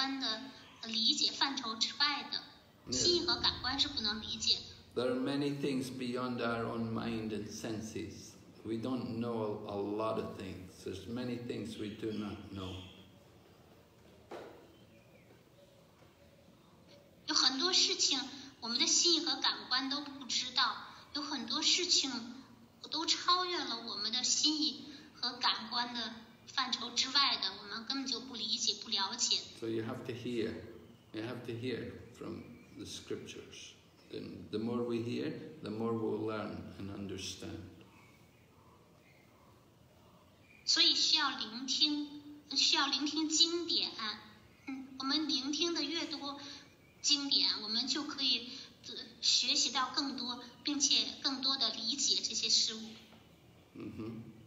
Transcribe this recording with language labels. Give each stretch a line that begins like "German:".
Chinese: 他们可以做出安排居住在那里就像我们有的时候潜入水下然后又从水中上来所以他们就可以做出安排提供一些设施让他能够去那瓦鲁纳的宫殿所以这些都是超越了我们的心意和感官的理解范畴之外的
English: There are many things beyond our own mind and senses. We don't know a lot of things. There's many things we do not know. There are many things
Chinese: 我们的心意和感官都不知道，有很多事情都超越了我们的心意和感官的范畴之外的，我们根本就不理解不了解。
English: So you have to hear, you have to hear from the scriptures. And the more we hear, the more we'll learn and understand.
Chinese: 所以需要聆听，需要聆听经典。嗯，我们聆听的越多经典，我们就可以学习到更多，并且更多的理解这些事物。嗯哼。